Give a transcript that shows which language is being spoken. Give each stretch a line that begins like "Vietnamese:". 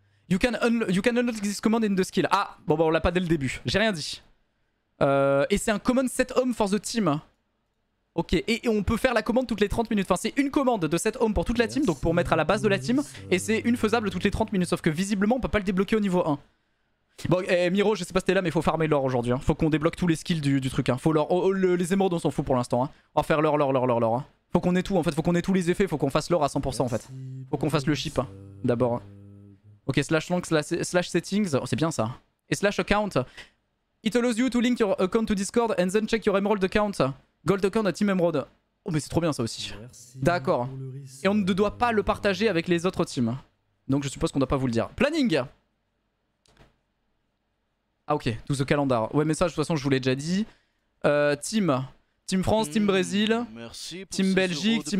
English: You can unlock this command in the skill.
French: Ah, bon, bah, on l'a pas dès le début. J'ai rien dit. Et c'est un
English: common set home for the team.
French: Ok, et on peut faire la commande toutes les 30 minutes. Enfin, c'est une commande de set home pour toute la team, donc pour mettre à la base de la team. Et c'est une faisable toutes les 30 minutes. Sauf que visiblement, on peut pas le débloquer au niveau 1. Bon, Miro, je sais pas si t'es là, mais faut farmer l'or aujourd'hui. Hein. Faut qu'on débloque tous les skills du truc. Hein. Faut l'or. Les émeraudes, on s'en fout pour l'instant. Hein. On va faire l'or. Hein. Faut qu'on ait tout en fait. Faut qu'on ait tous les effets. Faut qu'on fasse l'or à 100% en fait. Faut qu'on fasse le ship hein, d'abord. Ok, slash long, slash settings. Oh, c'est bien ça. Et slash account.
English: It allows you to link your account to Discord and then check your emerald account. Gold account
French: à Team Emerald. Oh mais c'est trop bien ça aussi. Merci. D'accord. Et on ne doit pas le partager avec les autres teams. Donc je suppose qu'on doit pas vous le dire. Planning. Ah ok,
English: to the calendar.
French: Ouais mais ça de toute façon je vous l'ai déjà dit. Team. Team France, Team Brésil. Merci. Team Belgique, Team